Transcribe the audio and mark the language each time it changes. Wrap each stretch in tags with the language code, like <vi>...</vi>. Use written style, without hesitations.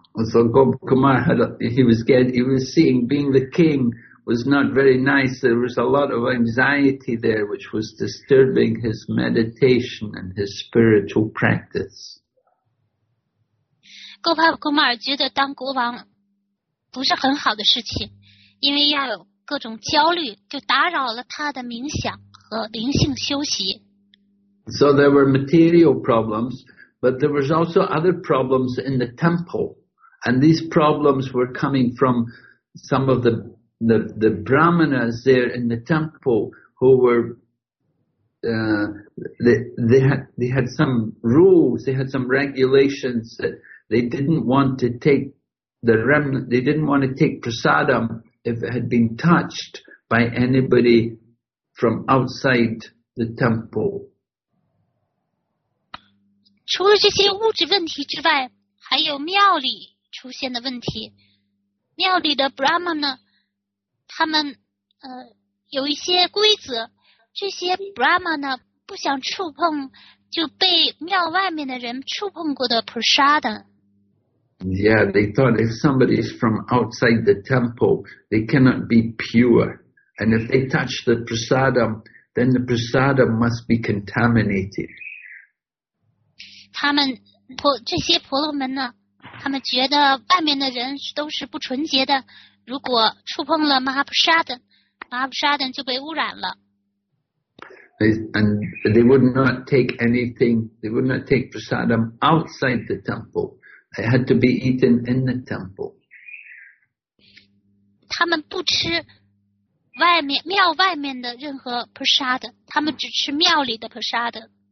<en>So Gop Kumar had he was seeing being the king was not very nice. There was a lot of anxiety there, which was disturbing his meditation and his spiritual practice.</en> <zh>Gop Kumar 觉得当国王不是很好的事情，因为要有各种焦虑，就打扰了他的冥想和灵性休息。</zh> <en>So there were material problems, but there was also other problems in the temple. And these problems were coming from some of the brahmanas there in the temple who were, they had some rules, they had some regulations that they didn't want to take the remnant, they didn't want to take prasadam if it had been touched by anybody from outside the temple.</en> <zh>除了这些物质问题之外，还有庙里出现的问题。庙里的 Brahman 呢，他们有一些规则，这些 Brahman 呢不想触碰就被庙外面的人触碰过的 Prasadam。</zh> <en>Yeah, they thought if somebody is from outside the temple, they cannot be pure. And if they touch the Prasadam, then the Prasadam must be contaminated.</en> <zh>他们这些婆罗门呢，他们觉得外面的人都是不纯洁的，如果触碰了马哈普沙丹，马哈普沙丹就被污染了。</zh> <en>And they would not take anything, they would not take prasadam outside the temple. It had to be eaten in the temple.</en> <zh>他们不吃外面庙外面的任何 prasad， 他们只吃庙里的 prasad。</zh>